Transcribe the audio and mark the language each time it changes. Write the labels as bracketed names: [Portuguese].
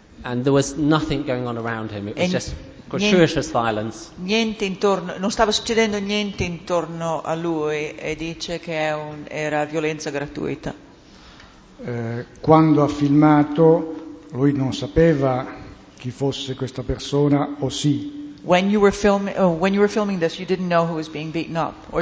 [English] And there was nothing going on around him. It was just gratuitous violence. [Italian] Niente intorno, non stava succedendo niente intorno a lui e dice che era violenza gratuita. Quando ha filmato, lui non sapeva chi fosse questa persona o sì. [English] When you were filming this, you didn't know who was being beaten up, or